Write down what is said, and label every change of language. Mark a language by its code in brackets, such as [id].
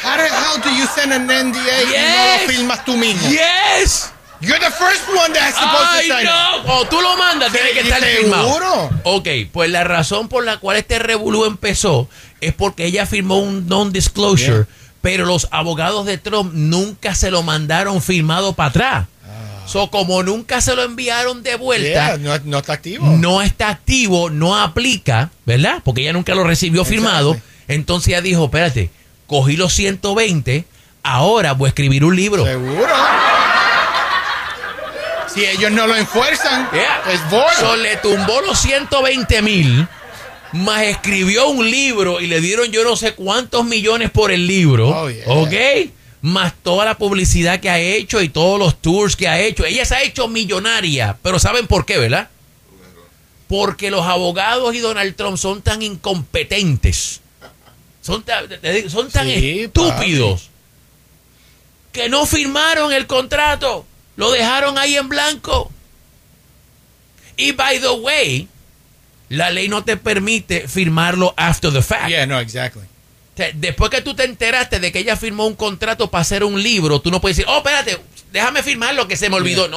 [en] How do you send an NDA and yes. [es] no lo firmas tú mismo? [en] Yes. You're the first one that has supposed to sign. [es] Ay, no. Tú lo mandas, tiene que estar firmado. ¿Seguro? Ok, pues la razón por la cual este revolú empezó es porque ella firmó un non-disclosure, yeah. pero los abogados de Trump nunca se lo mandaron firmado para atrás. So, como nunca se lo enviaron de vuelta, yeah, no está activo. No está activo, no aplica, ¿verdad? Porque ella nunca lo recibió firmado. Entonces ella dijo, espérate, cogí los 120, ahora voy a escribir un libro. Seguro. Si ellos no lo enfuerzan, yeah. es bueno. So, le tumbó los 120,000, más escribió un libro, y le dieron yo no sé cuántos millones por el libro. Oh, yeah. ¿Ok? Más toda la publicidad que ha hecho y todos los tours que ha hecho. Ella se ha hecho millonaria, pero ¿saben por qué, verdad? Porque los abogados y Donald Trump son tan incompetentes, son tan sí, estúpidos, papi. Que no firmaron el contrato, lo dejaron ahí en blanco. Y by the way, la ley no te permite firmarlo [en] after the fact. [es] Yeah, no, exactly. Después que tú te enteraste de que ella firmó un contrato para hacer un libro, tú no puedes decir, oh, espérate, déjame firmarlo, que se me olvidó. Yeah.